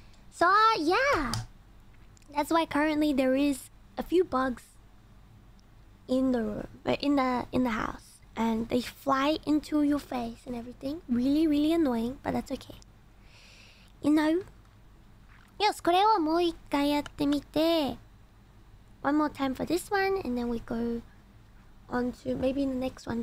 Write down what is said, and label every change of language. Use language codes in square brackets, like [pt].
[en] So yeah, that's why currently there is a few bugs in the room, in the house, and they fly into your face and everything. Really, really annoying, but that's okay. You know. [ja] Yes, これをもう一回やってみて。 [en] One more time for this one, and then we go on to maybe the next one.